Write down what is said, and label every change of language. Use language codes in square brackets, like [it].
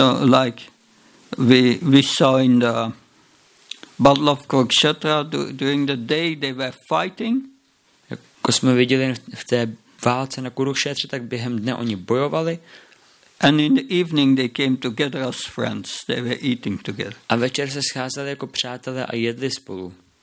[en] So like we saw in the battle of Kurukshetra during the day they were fighting. [cs] Jako jsme viděli v té válce na Kurukshetře, tak během dne oni bojovali. [en] And in the evening they came together as friends. They were eating together. [cs] A večer se scházeli jako přátelé a jedli spolu.